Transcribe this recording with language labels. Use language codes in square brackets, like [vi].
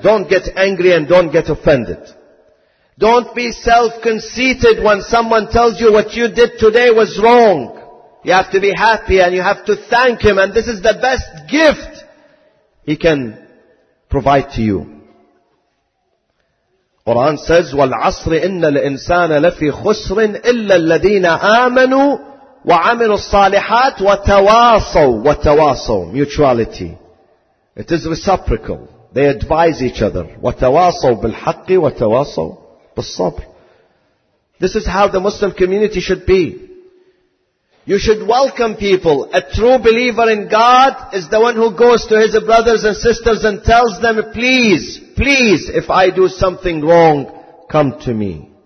[en] Don't get angry and don't get offended. Don't be self-conceited when someone tells you what you did today was wrong. You have to be happy and you have to thank him, and this is the best gift he can provide to you. Quran says, [ar] وَالْعَصْرِ إِنَّ الْإِنسَانَ لَفِي خُسْرٍ إِلَّا الَّذِينَ آمَنُوا وَعَمِلُوا الصَّالِحَاتِ وَتَوَاصَوْا [en] Mutuality. It is reciprocal. They advise each other. [ar] وَتَوَاصَوْا بِالْحَقِّ وَتَوَاصَوْا بِالصَّبْرِ [en] This is how the Muslim community should be. You should welcome people. A true believer in God is the one who goes to his brothers and sisters and tells them, please, if I do something wrong, come to me.